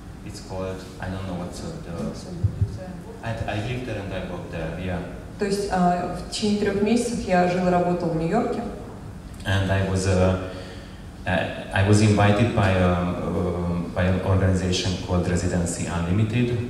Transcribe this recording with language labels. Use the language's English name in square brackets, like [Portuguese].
[English] It's called, I don't know what's the word. I lived there and I worked there, yeah. [Russian] То есть в течение 3 месяцев я жил и работал в Нью-Йорке. [English] And I was invited by an organization called Residency Unlimited.